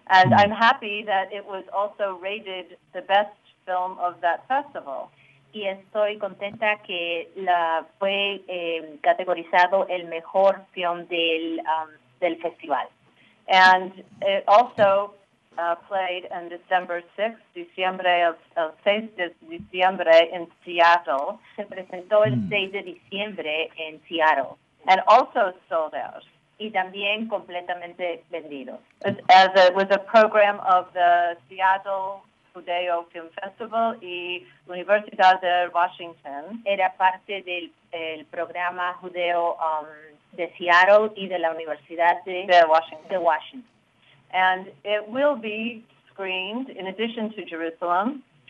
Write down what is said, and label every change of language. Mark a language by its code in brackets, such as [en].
[en] And I'm happy that it was also rated the best film of that festival. [es] Y estoy contenta que fue categorizado el mejor film del del festival. [en] And it also played on December 6th, [es] diciembre, el 6 de diciembre, [en] in Seattle. [es] Se presentó el 6 de diciembre en Seattle. [en] And also sold out. [es] Y también completamente vendido. [en] As it was a program of the Seattle Judeo Film Festival y Universidad de Washington. [es] Era parte del el programa judeo de Seattle y de la Universidad de Washington. [en] And it will be screened in addition to Jerusalem.